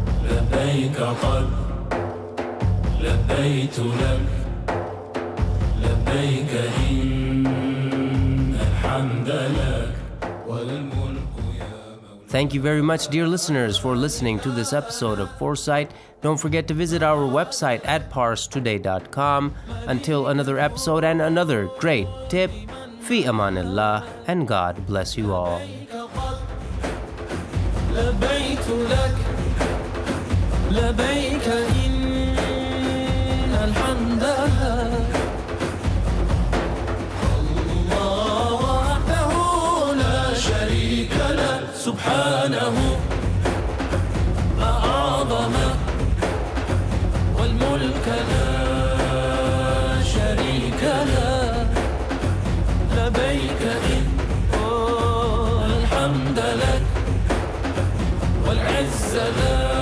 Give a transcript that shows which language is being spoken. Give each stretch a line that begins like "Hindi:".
Arabic: لبيك قد لبيت لك لبيك إن الحمد لك وللملك يا مولاي.
English: Thank you very much, dear listeners, for listening to this episode of Foresight. Don't forget to visit our website at parstoday.com. Until another episode and another great tip,
Arabic: fi aman Allah,
English: and God bless you all.
Arabic: لبيك لك لبيك إن الحمد الله وحده لا شريك له سبحانه أعظم والملك لا شريك له لبيك إن الحمد لك والعز لك.